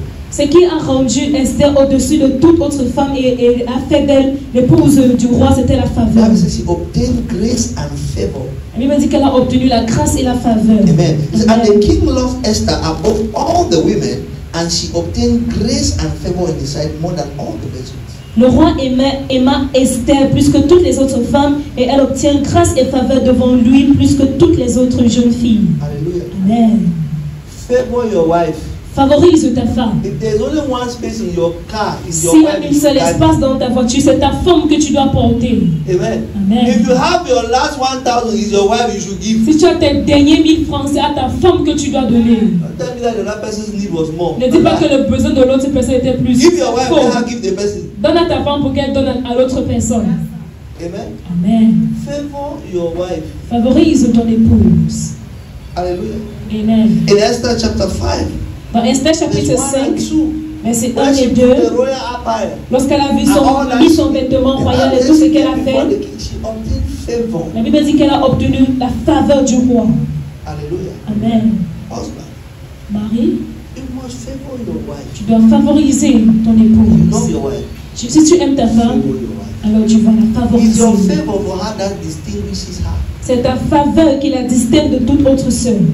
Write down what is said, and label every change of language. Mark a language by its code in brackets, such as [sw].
[fr] Ce qui a rendu Esther au-dessus de toute autre femme et a fait d'elle l'épouse du roi, c'était la faveur. La Bible dit qu'elle a obtenu grâce et faveur. La Bible dit qu'elle a obtenu la grâce et la faveur. Amen. [en] And the king loved Esther above all the women, and she obtained grace and favor in his sight more than all the virgins. [fr] Le roi aima Esther plus que toutes les autres femmes et elle obtient grâce et faveur devant lui plus que toutes les autres jeunes filles. Alléluia. Amen. [en] Favor your wife. [fr] Favorise ta femme. [en] If there's only one space in your car, [fr] si il y a un seul espace dans ta voiture, c'est ta femme que tu dois porter. Amen. Amen. [en] If you have your last 1,000, it's your wife you should give. [fr] Si tu as tes derniers 1,000 francs, c'est à ta femme que tu dois donner. Ne dis pas que le besoin de l'autre personne était plus. [en] Give your wife, then give the person. [fr] Donne à ta femme pour qu'elle donne à l'autre personne. Amen. Amen. [en] Favor your wife. [fr] Favorise ton épouse. Alléluia. Amen. [en] In Esther chapter 5. [fr] Dans Esther chapitre 5, verset 1 et 2, lorsqu'elle a vu son lit, son vêtement royal et tout ce qu'elle a fait, la Bible dit qu'elle a obtenu la faveur du roi. Alléluia. Amen. [en] Husband, [fr] Marie, [en] you must favor your wife. [fr] Tu dois favoriser ton épouse. [en] You love your wife. [fr] Si tu aimes ta femme, alors tu vas la favoriser. [en] It's your favor for her that distinguishes her. [fr] C'est ta faveur qui la distingue de toute autre sœur.